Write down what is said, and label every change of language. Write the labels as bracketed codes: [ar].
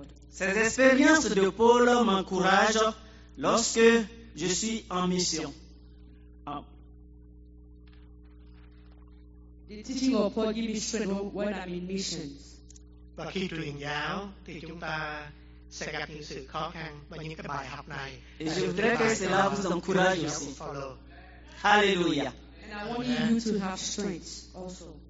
[fr] Ces expériences de Paul m'encouragent lorsque je suis en mission. [en] The teaching of Paul gives me strength when I'm in missions. [vi] Và khi truyền giáo thì chúng ta sẽ gặp những sự khó khăn và những cái bài học này. [fr] Et je voudrais que cela vous encourage aussi. Hallelujah. [en] And I want you to have strength also.